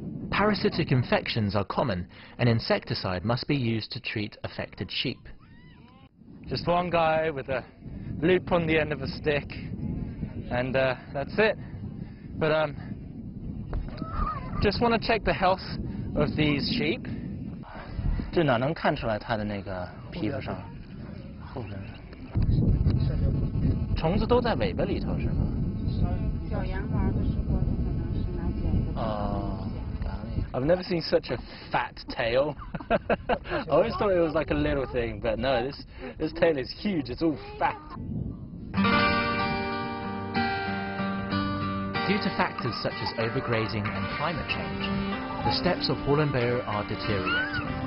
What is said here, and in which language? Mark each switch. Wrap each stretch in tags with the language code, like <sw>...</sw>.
<en>Parasitic infections are common, and insecticide must be used to treat affected sheep. Just one guy with aloop on the end of a stick and that's it, but just want to check the health of these sheep.</en> <zh>这哪能看出来它的那个皮肤上后边虫子都在尾巴里头是吗？小羊玩的时候可能是拿剪子。</zh> <en>哦， I've never seen such a fat tail. I always thought it was like a little thing, but no, this tail is huge. It's all fat. Due to factors such as overgrazing and climate change, the steppes of Horsemen are deteriorating.</en>